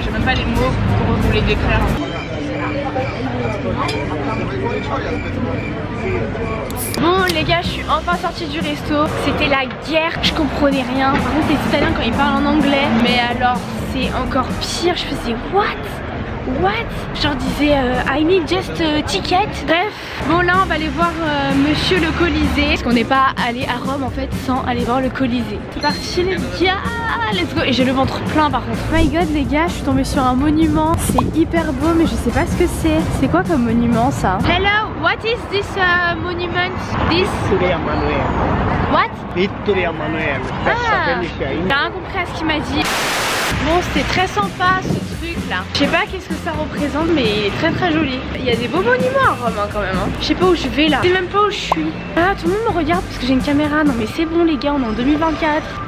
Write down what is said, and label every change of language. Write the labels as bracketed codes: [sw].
[fr] J'ai même pas les mots pour vous les décrire. Bon les gars, je suis enfin sortie du resto. C'était la guerre, je comprenais rien. Par contre les Italiens quand ils parlent en anglais, mais alors c'est encore pire. Je faisais [en] what? What? [fr] Genre disais [en] I need just a ticket. [fr] Bref. Bon là on va aller voir monsieur le Colisée. Parce qu'on n'est pas allé à Rome en fait sans aller voir le Colisée. C'est parti les gars. [en] Let's go. [fr] Et j'ai le ventre plein par contre. [en] My god [fr] les gars, je suis tombée sur un monument. C'est hyper beau mais je sais pas ce que c'est. C'est quoi comme monument ça? [en] Hello, what is this monument? This? [it] Vittorio Emanuele. [en] What? [it] Vittorio Emanuele. [fr] Ah, j'ai rien compris à ce qu'il m'a dit. Bon c'était très sympa ce truc là. Je sais pas qu'est-ce que ça représente mais il est très très joli. Il y a des beaux monuments à Rome quand même hein. Je sais pas où je vais là. Je sais même pas où je suis. Ah, tout le monde me regarde parce que j'ai une caméra. Non mais c'est bon les gars, on est en 2024.